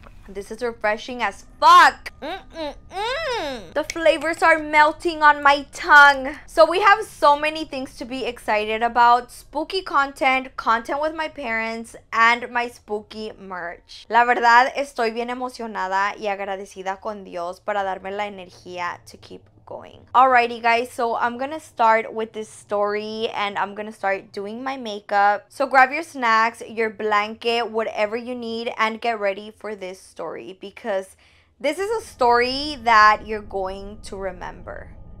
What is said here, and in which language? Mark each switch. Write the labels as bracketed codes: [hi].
[en] This is refreshing as fuck. The flavors are melting on my tongue. So we have so many things to be excited about. Spooky content, content with my parents, and my spooky merch. [es] La verdad, estoy bien emocionada y agradecida con Dios para darme la energía [en] to keep going. Alrighty guys, so I'm gonna start with this story and I'm gonna start doing my makeup. So grab your snacks, your blanket, whatever you need, and get ready for this story because this is a story that you're going to remember.